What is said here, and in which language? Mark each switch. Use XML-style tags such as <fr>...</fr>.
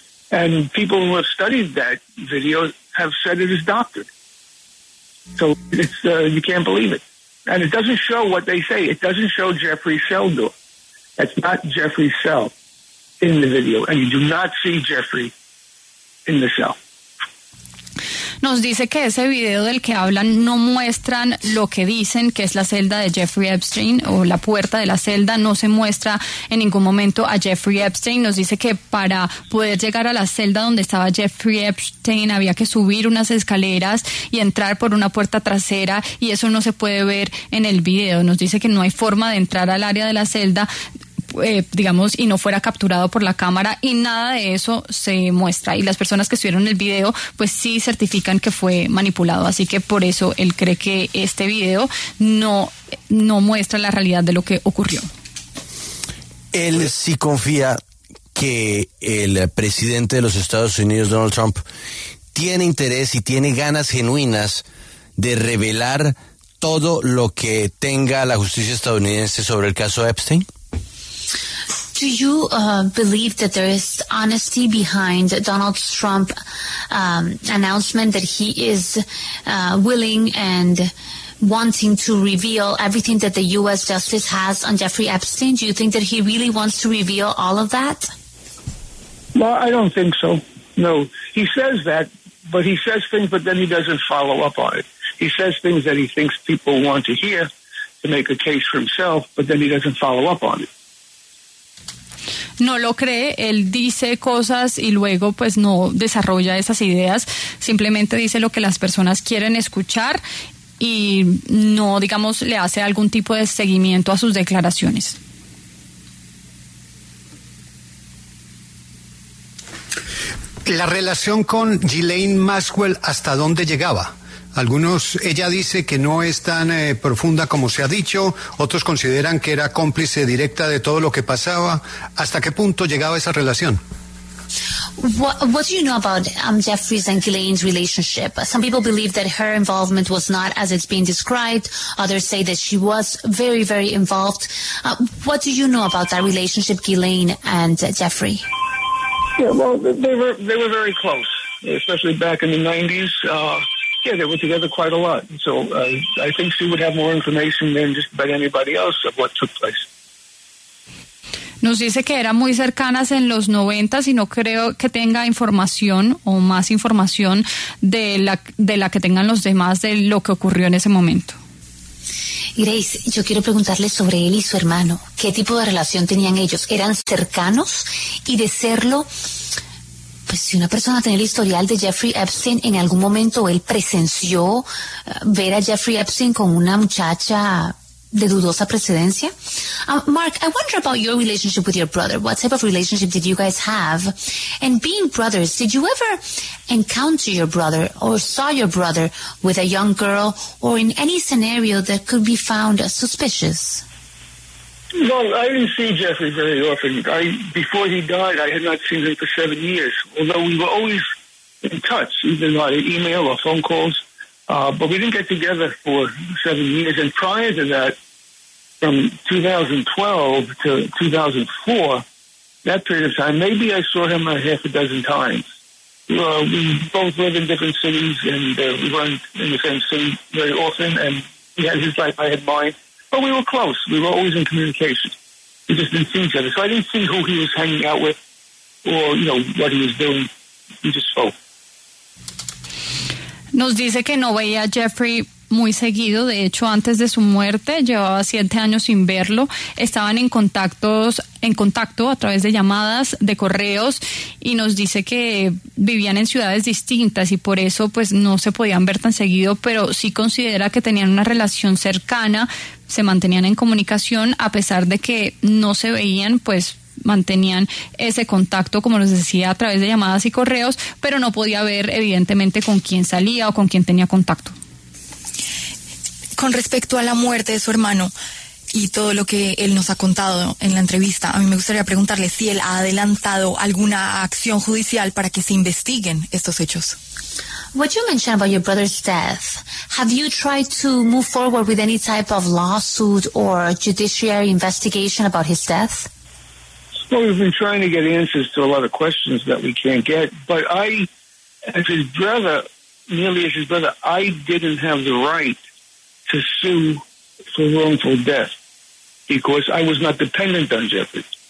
<en>And people who have studied that video have said it is doctored. So it's you can't believe it. And it doesn't show what they say. It doesn't show Jeffrey's cell door. That's not Jeffrey's cell in the video. And you do not see Jeffrey in the cell.</en> <es>Nos dice que ese video del que hablan no muestran lo que dicen, que es la celda de Jeffrey Epstein o la puerta de la celda, no se muestra en ningún momento a Jeffrey Epstein. Nos dice que para poder llegar a la celda donde estaba Jeffrey Epstein había que subir unas escaleras y entrar por una puerta trasera, y eso no se puede ver en el video. Nos dice que no hay forma de entrar al área de la celda, digamos, y no fuera capturado por la cámara, y nada de eso se muestra, y las personas que estuvieron en el video pues sí certifican que fue manipulado, así que por eso él cree que este video no muestra la realidad de lo que ocurrió. Él sí confía que el presidente de los Estados Unidos, Donald Trump, tiene interés y tiene ganas genuinas de revelar todo lo que tenga la justicia estadounidense sobre el caso Epstein.</es> <en>Do you believe that there is honesty behind Donald Trump's announcement that he is willing and wanting to reveal everything that the U.S. justice has on Jeffrey Epstein? Do you think that he really wants to reveal all of that? Well, I don't think so. No, he says that, but he says things, but then he doesn't follow up on it. He says things that he thinks people want to hear to make a case for himself, but then he doesn't follow up on it.</en> <es>No lo cree, él dice cosas y luego pues no desarrolla esas ideas, simplemente dice lo que las personas quieren escuchar y no, digamos, le hace algún tipo de seguimiento a sus declaraciones. La relación con Ghislaine Maxwell, ¿hasta dónde llegaba? Algunos, ella dice que no es tan profunda como se ha dicho, otros consideran que era cómplice directa de todo lo que pasaba. ¿Hasta qué punto llegaba esa relación?</es> <en>What do you know about Jeffrey's and Ghislaine's relationship? Some people believe that her involvement was not as it's being described. Others say that she was very, very involved. What do you know about that relationship, Ghislaine and Jeffrey? Yeah, well, they were very close, especially back in the 90s. Yeah, they were together quite a lot. So I think she would have more information than just about anybody else of what took place.</en> <es>Nos dice que eran muy cercanas en los 90s y no creo que tenga información o más información de la que tengan los demás de lo que ocurrió en ese momento. Grace, yo quiero preguntarle sobre él y su hermano. ¿Qué tipo de relación tenían ellos? ¿Eran cercanos? Y de serlo, pues si una persona tiene el historial de Jeffrey Epstein, en algún momento él presenció ver a Jeffrey Epstein con una muchacha de dudosa precedencia.</es> <en>Mark, I wonder about your relationship with your brother. What type of relationship did you guys have? And being brothers, did you ever encounter your brother or saw your brother with a young girl or in any scenario that could be found suspicious? Well, I didn't see Jeffrey very often. Before he died, I had not seen him for 7 years, although we were always in touch, either via email or phone calls. But we didn't get together for 7 years. And prior to that, from 2012 to 2004, that period of time, maybe I saw him a half a dozen times. We both live in different cities, and we weren't in the same city very often. And he had his life, I had mine. But we were close. We were always in communication. We just didn't see each other. So I didn't see who he was hanging out with or, you know, what he was doing. We just spoke.</en> <es>Nos dice que no veía a Jeffrey muy seguido, de hecho antes de su muerte llevaba 7 años sin verlo, estaban en contacto a través de llamadas, de correos, y nos dice que vivían en ciudades distintas y por eso pues no se podían ver tan seguido, pero sí considera que tenían una relación cercana, se mantenían en comunicación a pesar de que no se veían, pues mantenían ese contacto, como les decía, a través de llamadas y correos, pero no podía ver evidentemente con quién salía o con quién tenía contacto. Con respecto a la muerte de su hermano y todo lo que él nos ha contado en la entrevista, a mí me gustaría preguntarle si él ha adelantado alguna acción judicial para que se investiguen estos hechos.</es> <en>What you mentioned about your brother's death, have you tried to move forward with any type of lawsuit or judiciary investigation about his death? Well, we've been trying to get answers to a lot of questions that we can't get. But I, as his brother, nearly as his brother, I didn't have the right to sue for wrongful death because I was not dependent on Jeffrey.</en>